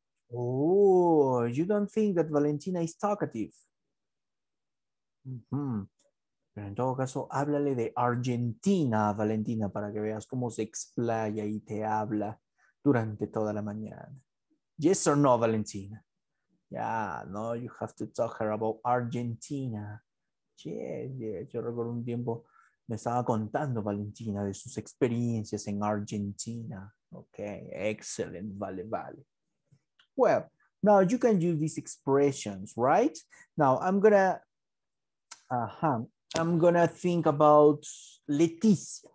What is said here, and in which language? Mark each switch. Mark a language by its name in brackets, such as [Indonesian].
[English] Oh, you don't think that Valentina is talkative? Mm-hmm. [Spanish] Pero en todo caso, háblale de Argentina, Valentina, para que veas cómo se explaya y te habla durante toda la mañana. [English] Yes or no, Valentina? Yeah, no, you have to talk her about Argentina. Yes, yes. [Spanish] Yo recuerdo un tiempo me estaba contando Valentina de sus experiencias en Argentina. [English] Okay, excellent, vale, vale. Well, now you can use these expressions, right? Now I'm gonna, I'm gonna think about Leticia.